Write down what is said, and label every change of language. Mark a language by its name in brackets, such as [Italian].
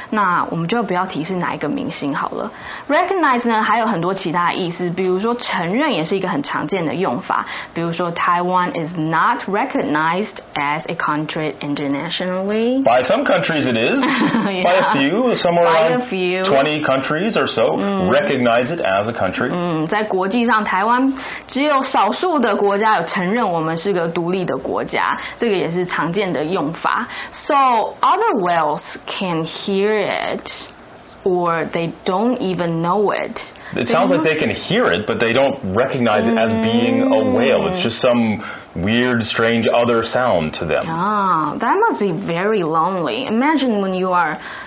[Chinese] 那我们就不要提示哪一个明星好了。 Recognize 呢还有很多其他的意思，比如说承认也是一个很常见的用法。比如说 [English] Taiwan is not recognized as a country internationally. By some countries it is. By a few, somewhere around 20 countries or so, recognize it as a country. [Chinese] 在国际上，台湾只有少数的国家有承认我们是个独立的国家，这个也是常见的用法。 [English] So other whales can hear it, or they don't even know it. It sounds like they can hear it, but they don't recognize it as being a whale. It's just some... weird, strange other sound to them. That must be very lonely. Imagine when you are